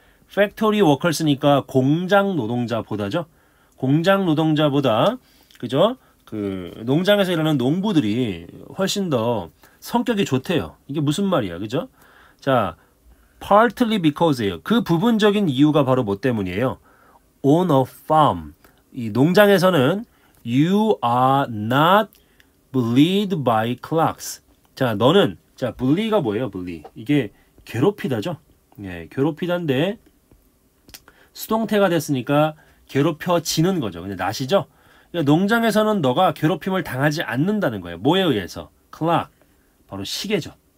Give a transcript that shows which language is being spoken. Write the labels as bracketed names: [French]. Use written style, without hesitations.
[English] factory workers [Korean] 니까 공장 노동자보다죠. 공장 노동자보다, 그죠? 그 농장에서 일하는 농부들이 훨씬 더 성격이 좋대요. 이게 무슨 말이야, 그죠? 자, [English] partly because [Korean] 예요. 그 부분적인 이유가 바로 뭐 때문이에요? [English] on a farm. [Korean] 이 농장에서는 [English] you are not bullied by clocks. [Korean] 자, 너는, 자, bully가 뭐예요? bully. 이게 괴롭히다죠? 예, 괴롭히다인데 수동태가 됐으니까 괴롭혀지는 거죠. 근데 낫이죠? 그러니까 농장에서는 너가 괴롭힘을 당하지 않는다는 거예요. 뭐에 의해서? clock. 바로 시계죠.